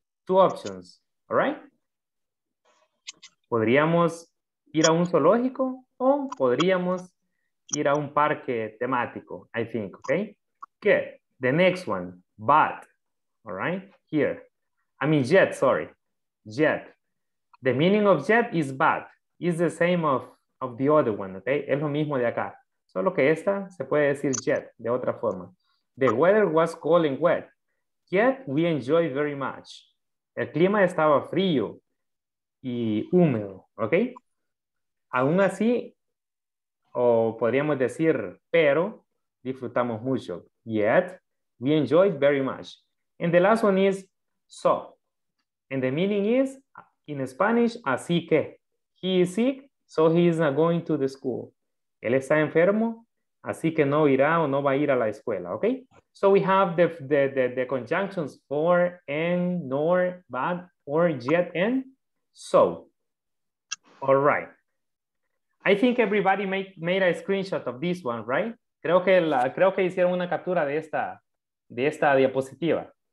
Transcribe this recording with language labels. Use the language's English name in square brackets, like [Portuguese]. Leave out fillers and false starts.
[English] Two options, all right? [Spanish] Podríamos ir a un zoológico o podríamos ir a un parque temático, [English] I think, okay? Good. The next one, but, all right? Here. I mean, yet, sorry. Yet. The meaning of yet is but. It's the same of the other one, okay? [Spanish] Es lo mismo de acá. Solo que esta se puede decir yet, de otra forma. [English] The weather was cold and wet, yet we enjoyed very much. [Spanish] El clima estaba frío y húmedo, okay? Aún así, o podríamos decir, pero disfrutamos mucho. [English] Yet, we enjoyed very much. And the last one is so. And the meaning is, in Spanish, así que. He is sick, so he is not going to the school. [Spanish] Él está enfermo, así que no irá o no va a ir a la escuela, okay? [English] So we have the conjunctions for, and, nor, but, or, yet, and, so. All right. I think everybody made a screenshot of this one, right? [Spanish] Creo que hicieron una captura de esta diapositiva.